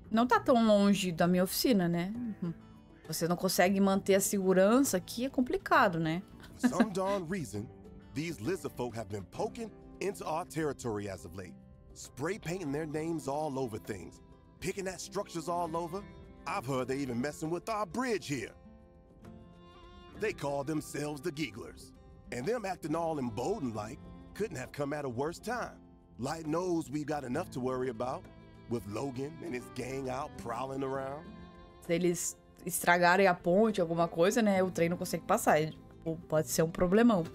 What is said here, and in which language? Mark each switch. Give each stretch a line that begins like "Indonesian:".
Portuguese: Não tá tão longe da minha oficina, né? Você não consegue manter a segurança aqui, é complicado, né?
English: Some darn reason these lizard folk have been poking into our territory as of late, spray painting their names all over things, picking at structures all over. I've heard they even messing with our bridge here. They call themselves the Gigglers, and them acting all emboldened like couldn't have come at a worse time. Light knows we've got enough to worry about with Logan and his gang out prowling around.
Portuguese: Se eles estragarem a ponte, alguma coisa, né, o trem não consegue passar, ou pode ser um problemão.